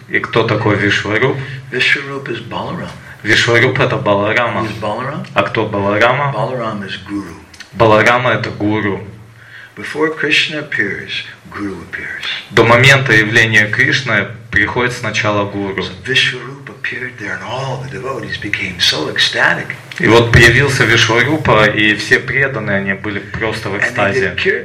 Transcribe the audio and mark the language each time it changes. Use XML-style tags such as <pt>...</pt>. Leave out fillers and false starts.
<ru>И кто такой Вишваруп?</ru> <en>Vishwarupa is Balaram.</en> <ru>Вишварупа это Баларама.</ru> <en>Who is Balaram?</en> <ru>А кто Баларама?</ru> <en>Balaram is Guru.</en> <ru>Баларама это Гуру.</ru> <en>Before Krishna appears, Guru appears.</en> <ru>До момента явления Кришны приходит сначала Гуру.</ru> <en>So Vishwarupa appeared there, and all the devotees became so ecstatic.</en> <ru>И вот появился Вишварупа, и все преданные, они были просто в экстазе.</ru>